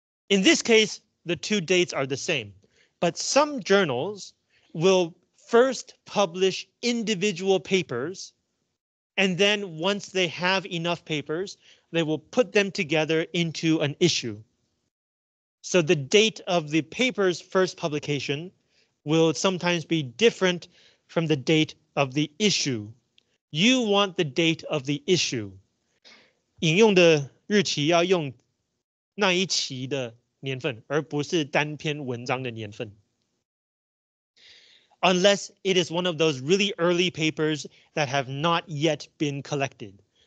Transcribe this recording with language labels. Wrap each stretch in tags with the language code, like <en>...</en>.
<en>In this case, the two dates are the same, but some journals will first publish individual papers, and then once they have enough papers, they will put them together into an issue. So the date of the paper's first publication will sometimes be different from the date of the issue. You want the date of the issue.</en> <zh>引用的日期要用那一期的年份，而不是单篇文章的年份.</zh> <en>Unless it is one of those really early papers that have not yet been collected.</en>